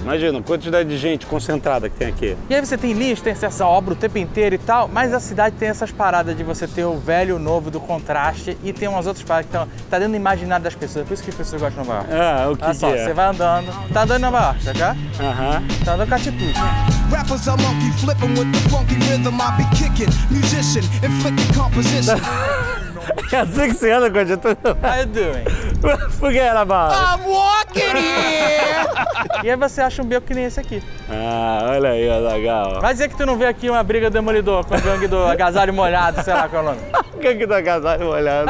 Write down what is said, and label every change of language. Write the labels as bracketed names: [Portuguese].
[Portuguese] Imagina a quantidade de gente concentrada que tem aqui. E aí você tem lixo, tem essa obra o tempo inteiro e tal, mas a cidade tem essas paradas de você ter o velho, o novo, do contraste, e tem umas outras paradas que estão... Tá dentro do imaginário das pessoas, por isso que as pessoas gostam de Nova York. Ah, o que olha que só, é? Você vai andando. Tá andando em Nova York, tá? Aham. Tá andando com a atitude. [English] Rappers are monkey flipping with the funky rhythm, I be kicking, musician, inflicting composition. [Portuguese] É assim que você anda com a gente? [English] How you doing? Forget about it. I'm walking here! [Portuguese] E aí você acha um beco que nem esse aqui. Ah, olha aí, Azaghal. Vai dizer que tu não vê aqui uma briga demolidor com a gangue do agasalho molhado, sei lá qual é o nome. Gangue do agasalho molhado.